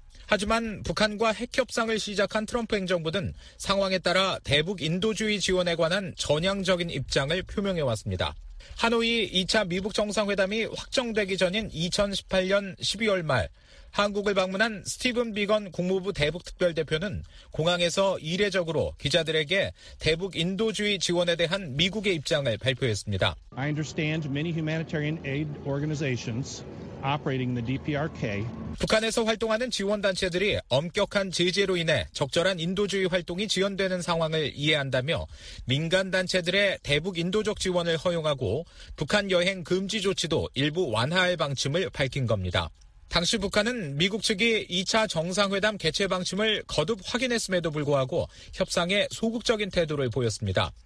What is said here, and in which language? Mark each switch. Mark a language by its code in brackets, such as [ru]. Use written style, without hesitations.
[ko] 하지만 북한과 핵협상을 시작한 트럼프 행정부는 상황에 따라 대북 인도주의 지원에 관한 전향적인 입장을 표명해왔습니다. 하노이 2차 미북 정상회담이 확정되기 전인 2018년 12월 말 한국을 방문한 스티븐 비건 국무부 대북특별대표는 공항에서 이례적으로 기자들에게 대북 인도주의 지원에 대한 미국의 입장을 발표했습니다. [en] I understand many humanitarian aid organizations operating the DPRK. [ko] 북한에서 활동하는 지원단체들이 엄격한 제재로 인해 적절한 인도주의 활동이 지연되는 상황을 이해한다며 민간단체들의 대북 인도적 지원을 허용하고 북한 여행 금지 조치도 일부 완화할 방침을 밝힌 겁니다. 당시 북한은 미국 측이 2차 정상회담 개최 방침을 거듭 확인했음에도 불구하고 협상에 소극적인 태도를 보였습니다.